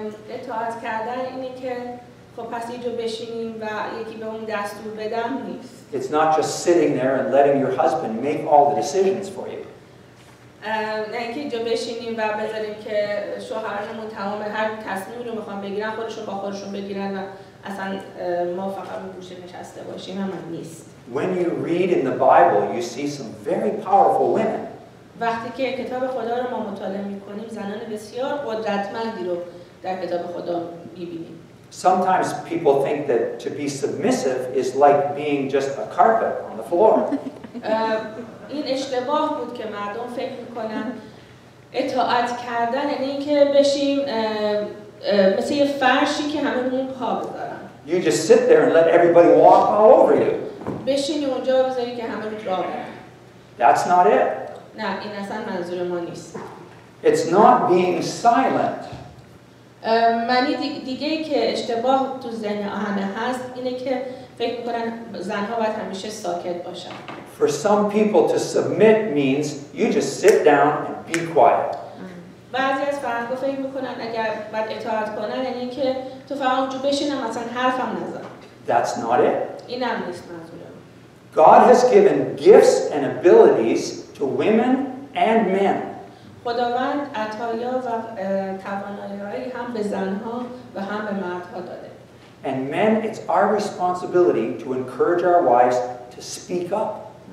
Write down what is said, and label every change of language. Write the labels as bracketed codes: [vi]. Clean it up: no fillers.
[fa] اطاعت کردن اینه که خب پس اینجا بشینیم و یکی به اون دستور بدم نیست. [en] It's not just sitting there and letting your husband make all the decisions for you. [fa] نه اینکه اینجا بشینیم و بذاریم که شوهرمون تمام هر تصمیمی رو میخوام بگیرن خودشون با خودشون بگیرن و اصلا ما فقط اون گوشه نشسته باشیم هم نیست. [en] When you read in the Bible, you see some very powerful women. [fa] وقتی که کتاب خدا رو ما مطالعه میکنیم زنان بسیار قدرتمندی رو در کتاب خدا میبینیم. [en] Sometimes people think that to be submissive is like being just a carpet on the floor. [fa] این اشتباه بود که مردم فکر میکنن اطاعت کردن یعنی اینکه بشیم مثل یه فرشی که همه رو پا بذارن. [en] You just sit there and let everybody walk all over you. [fa] بشینی اونجا و بذاری که همه رو را برن. [en] That's not it. [fa] نه این اصلا منظور ما نیست. [en] It's not being silent. [fa] معنی دیگه ای که اشتباه تو ذهن آهنه هست اینه که فکر میکنن زنها باید همیشه ساکت باشن. [en] For some people to submit means you just sit down and be quiet. [fa] بعضی از فرهنگ‌ها فکر میکنن اگر باید اطاعت کنن یعنی که تو فقط اونجا بشین مثلا حرفم نزن. [en] That's not it. [fa] این هم نیست منظورم. [en] God has given gifts and abilities to women and men. [fa] خداوند عطایا و توانایی‌هایی هم به زن‌ها و هم به مردها داده. [en] And men, it's our responsibility to encourage our wives to speak up.